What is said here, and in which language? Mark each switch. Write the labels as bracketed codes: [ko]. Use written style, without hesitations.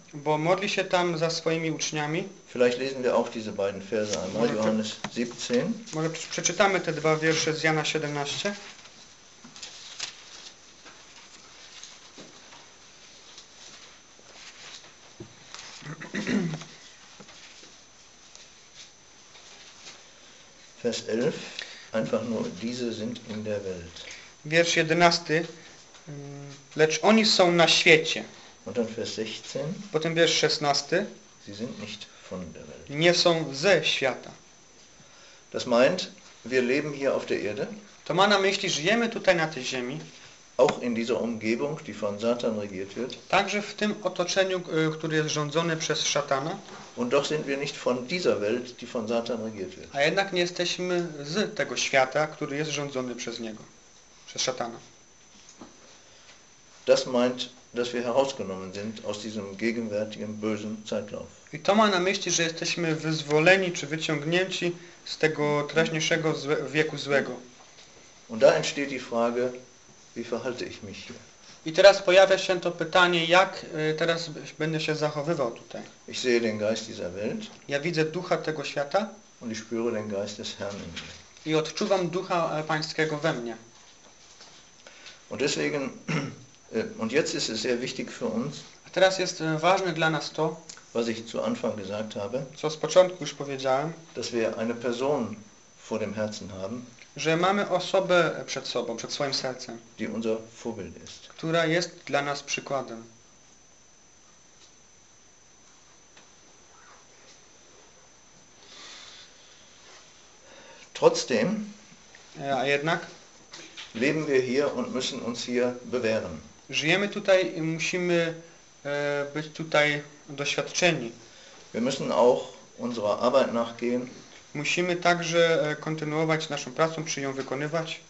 [pl] Bo modli się tam za swoimi uczniami. [de] Vielleicht lesen wir auch diese beiden Verse einmal, Johannes 17. [pl] Może przeczytamy te dwa wiersze z Jana 17. [de] Vers 11. Einfach nur, diese sind in der Welt. [pl] Wiersz 11. Lecz oni są na świecie. [de] Und dann Vers 16. [pl] Potem wiersz 16. [de] Sie sind nicht von der Welt. [pl] Nie są ze świata. [de] Das meint, wir leben hier auf der Erde. [pl] To ma na myśli, żyjemy tutaj na tej ziemi. [de] Auch in dieser Umgebung, die von Satan regiert wird. [pl] Także w tym otoczeniu, które jest rządzone przez Szatana. [de] Und doch sind wir nicht von dieser Welt, die von Satan regiert wird. [pl] A jednak nie jesteśmy z tego świata, który jest rządzony przez niego, przez Szatana. [de] Das meint, dass wir herausgenommen sind aus diesem gegenwärtigen bösen Zeitlauf. [pl] I to ma na myśli, że jesteśmy wyzwoleni czy wyciągnięci z tego teraźniejszego wieku złego. [de] Und da entsteht die Frage, wie verhalte ich mich hier? [pl] I teraz pojawia się to pytanie, jak teraz będę się zachowywał tutaj. [de] Ich sehe den Geist dieser Welt. [pl] Ja widzę ducha tego świata. [de] Und ich spüre den Geist des Herrn in mir. [pl] I odczuwam ducha Pańskiego we mnie. [de] Und deswegen und jetzt ist es sehr wichtig für uns. [pl] A teraz jest ważne dla nas to, [de] was ich zu Anfang gesagt habe, [pl] co z początku już powiedziałem, [de] dass wir eine Person vor dem Herzen haben, [pl] że mamy osobę przed sobą, przed swoim sercem, [de] die unser Vorbild ist. [pl] Która jest dla nas przykładem. [de] Trotzdem, [pl] a jednak, [de] leben wir hier und müssen uns hier bewähren. [pl] Żyjemy tutaj i musimy być tutaj doświadczeni. [de] Wir müssen auch unserer Arbeit nachgehen. [pl] Musimy także kontynuować naszą pracę, czy ją wykonywać.